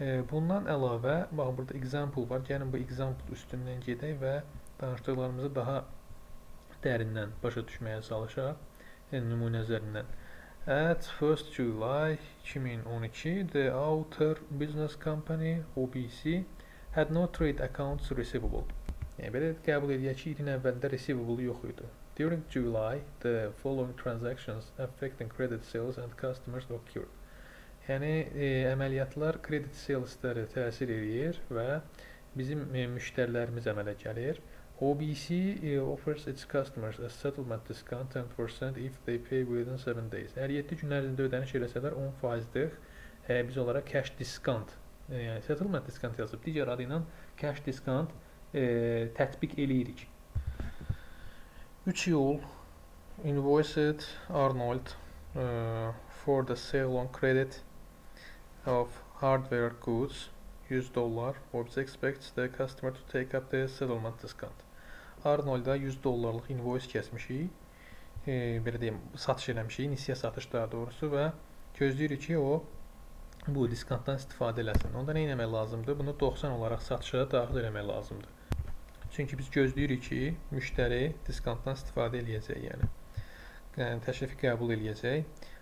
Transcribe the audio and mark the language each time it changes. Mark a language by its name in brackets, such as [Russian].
[Azerbaijani] Bundan əlavə, baxın, burada example var. Gəlin bu example üstündən gedək və danışdıqlarımızı daha dərindən başa düşməyə çalışaq, nümunə üzərindən. [English] At 1st July 2012, the outer business company, OBC, had no trade accounts receivable. [Azerbaijani] Yəni, belə qəbul edək ki, ilin əvvəlində receivable yox idi. [English] During July, the following transactions affecting credit sales and customers occurred. [Azerbaijani] Yəni, əməliyyatlar credit sales-ləri təsir edir və bizim müştərilərimiz əmələ gəlir. [English] OBC offers its customers a settlement discount 10% if they pay within 7 days. [Azerbaijani] Hər 7 gün ərzində ödəniş eləsələr 10%-lıq biz olaraq cash discount, yəni settlement discount yazıb digər adı ilə cash discount tətbiq eləyirik. [English] 3 yol invoiced Arnold for the sale on credit of hardware goods $100. Orbs expects the customer to take up the settlement discount. [Azerbaijani] Arnold'a $100'lık invoice kesmişik, belə deyim, satış eləmişik, nisiyə satış daha doğrusu və gözləyirik ki, o bu diskantdan istifadə eləsin. Onda nə eləmək lazımdır? Bunu 90 olaraq satışa daxil eləmək lazımdır. Çünki biz gözləyirik ki, müştəri diskantdan istifadə eləyəcək, yəni təşrifi qəbul eləyəcək.